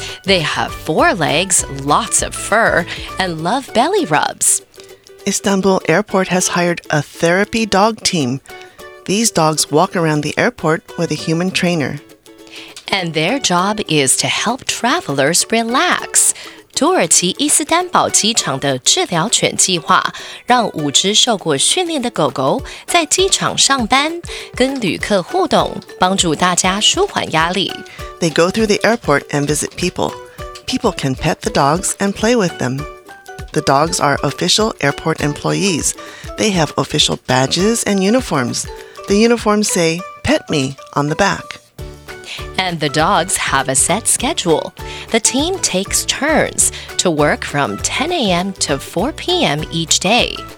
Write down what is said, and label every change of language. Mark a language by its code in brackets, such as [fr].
[en] They have 4 legs, lots of fur, and love belly rubs. Istanbul Airport has hired a therapy dog team. These dogs walk around the airport with a human trainer. And their job is to help travelers relax. [zh] 土耳其伊斯坦堡机场的治疗犬计划让5只受过训练的狗狗在机场上班跟旅客互动帮助大家舒缓压力。 [en] They go through the airport and visit people. People can pet the dogs and play with them. The dogs are official airport employees. They have official badges and uniforms. The uniforms say, "Pet me" on the back. And the dogs have a set schedule. The team takes turns to work from 10 a.m. to 4 p.m. each day.